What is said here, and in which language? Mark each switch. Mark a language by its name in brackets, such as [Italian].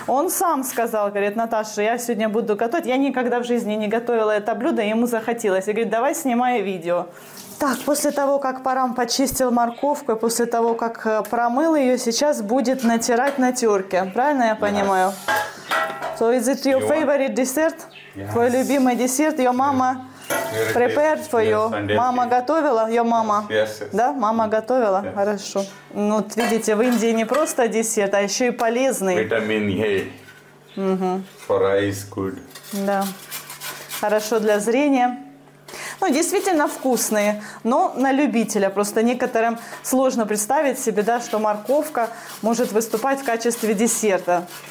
[Russian] Он сам сказал, говорит, Наташа, я сегодня буду готовить. Я никогда в жизни не готовила это блюдо, ему захотелось. И говорит, давай снимай видео. Так, после того, как Парам почистил морковку, после того, как промыл ее, сейчас будет натирать на терке. Правильно я понимаю? [English] So, is it your favorite dessert? Yes. [Russian] Твой любимый десерт? [English] Your mama prepared for you? [Russian] Мама готовила? [English] Your mama? Yes, yes. [Russian] Да, мама готовила? [English] Yes. [Russian] Хорошо. Ну, вот видите, в Индии не просто десерт, а еще и полезный. [English] Витамин A. For eyes good. [Russian] Да. Хорошо для зрения. Ну, действительно вкусные, но на любителя. Просто некоторым сложно представить себе, да, что морковка может выступать в качестве десерта.